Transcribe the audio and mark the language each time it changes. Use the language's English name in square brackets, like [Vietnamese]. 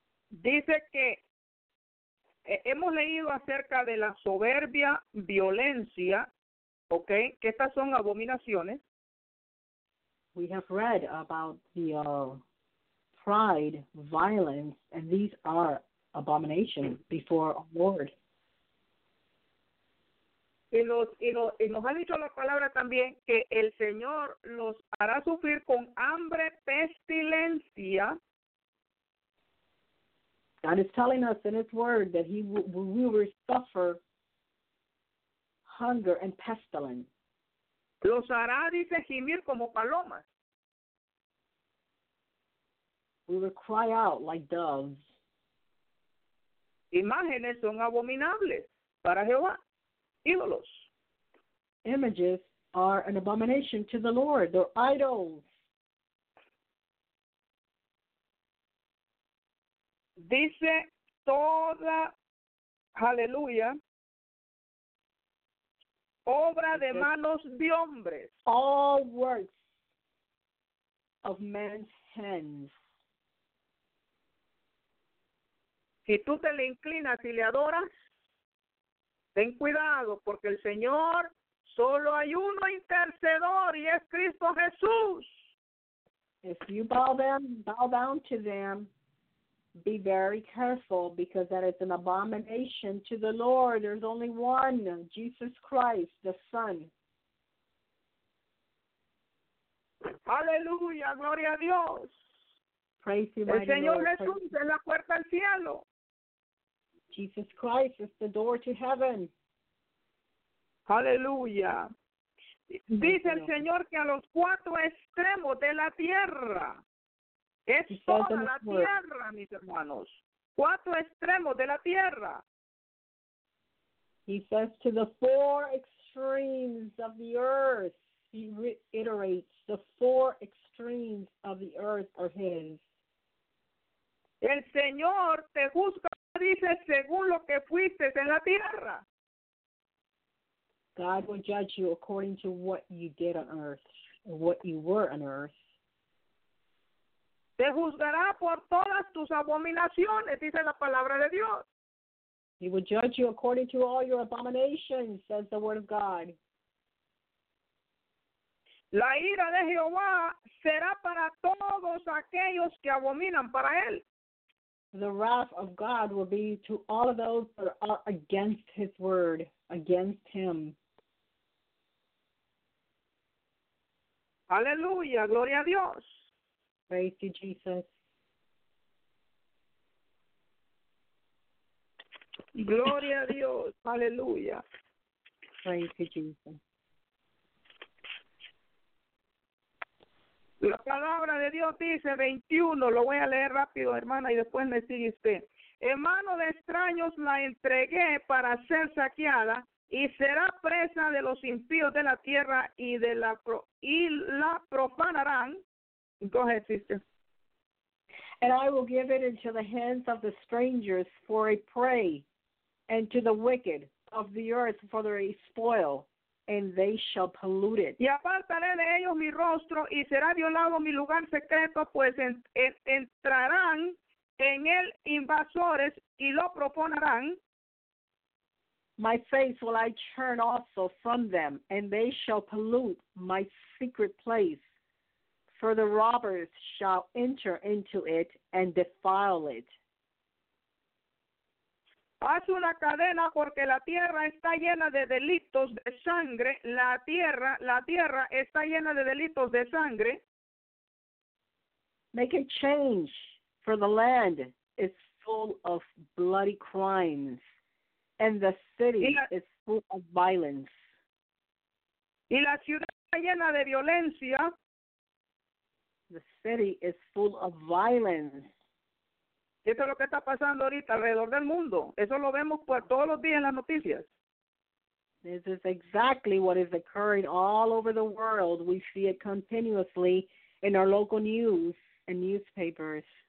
[Spanish] Dice que hemos leído acerca de la soberbia, violencia, okay, que estas son abominaciones. [English] We have read about the pride, violence, and these are abominations before our Lord. [Spanish] Y nos ha dicho la palabra también que el Señor los hará sufrir con hambre, pestilencia. [English] God is telling us in his word that we will suffer hunger and pestilence. [Spanish] Los hará, dice, gimir como palomas. [English] We will cry out like doves. [Spanish] Imágenes son abominables para Jehová. Ídolos. [English] Images are an abomination to the Lord. They're idols. [Spanish] Dice toda, hallelujah, obra de manos de hombres. [English] All works of man's hands. [Spanish] Si tú te le inclinas y le adoras, ten cuidado, porque el Señor, solo hay uno intercedor, y es Cristo Jesús. [English] If you bow down to them, be very careful, because that is an abomination to the Lord. There's only one, Jesus Christ, the Son. [Spanish] Aleluya, gloria a Dios. [English] Praise you, [Spanish] el Señor [English] Lord, [Spanish] Jesús [English] praise. [Spanish] Es la puerta al cielo. [English] Jesus Christ is the door to heaven. Hallelujah. [Spanish] Dice el Señor que a los cuatro extremos de la tierra, es toda la tierra, mis hermanos. Cuatro extremos de la tierra. [English] He says to the four extremes of the earth. He reiterates, the four extremes of the earth are his. [Spanish] El Señor te juzga, dice, según lo que fuiste en la tierra. [English] God will judge you according to what you did on earth, what you were on earth. [Spanish] Te juzgará por todas tus abominaciones, dice la palabra de Dios. [English] He will judge you according to all your abominations, says the word of God. [Spanish] La ira de Jehová será para todos aquellos que abominan para él. [English] The wrath of God will be to all of those that are against his word, against him. [Spanish] Aleluya, gloria a Dios. [English] Praise you, Jesus. [Spanish] Gloria a Dios, aleluya. [English] Praise you, Jesus. [Spanish] La palabra de Dios dice 21, lo voy a leer rápido, hermana, y después me sigue usted. En mano de extraños la entregué para ser saqueada, y será presa de los impíos de la tierra y de la profanarán. [English] Go ahead, sister. And I will give it into the hands of the strangers for a prey, and to the wicked of the earth for their spoil. and they shall pollute it. [Spanish] Y apartaré de ellos mi rostro y será violado mi lugar secreto, pues entrarán en él invasores y lo profanarán. [English] My face will I turn also from them, and they shall pollute my secret place. For the robbers shall enter into it and defile it. [Spanish] Haz una cadena, porque la tierra está llena de delitos de sangre. La tierra está llena de delitos de sangre. [English] Make a change, for the land is full of bloody crimes. And the city is full of violence. [Spanish] Y la ciudad está llena de violencia. [English] The city is full of violence. [Spanish] Esto es lo que está pasando ahorita alrededor del mundo. Eso lo vemos por todos los días en las noticias. [English] This is exactly what is occurring all over the world. We see it continuously in our local news and newspapers.